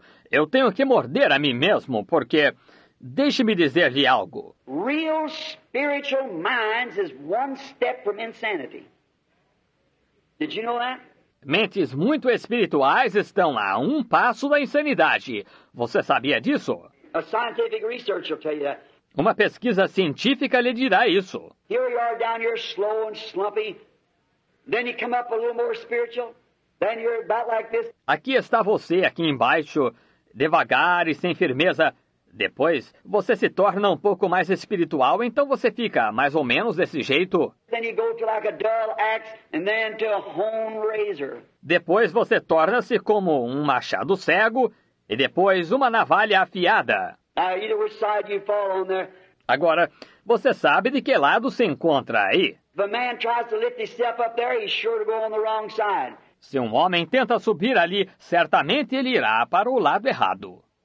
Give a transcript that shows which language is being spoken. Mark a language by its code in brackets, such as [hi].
[pt] Eu tenho que morder a mim mesmo, porque deixe-me dizer-lhe algo. [en] Real spiritual minds is one step from insanity. Did you know that? [pt] Mentes muito espirituais estão a um passo da insanidade. Você sabia disso? [en] A scientific research will tell you that. [pt] Uma pesquisa científica lhe dirá isso. [en] Here you are down here slow and slumpy. Then you come up a little more spiritual. Then you're about like this. [pt] Aqui está você, aqui embaixo, devagar e sem firmeza. Depois, você se torna um pouco mais espiritual, então você fica mais ou menos desse jeito. [en] Then you go to like a dull axe and then to a horn razor. [pt] Depois você torna-se como um machado cego e depois uma navalha afiada. [en] Which side you fall on there. [pt] Agora, você sabe de que lado se encontra aí? [en] If a man tries to lift himself up there, he's sure to go on the wrong side. [pt] Se um homem tenta subir ali, certamente ele irá para o lado errado.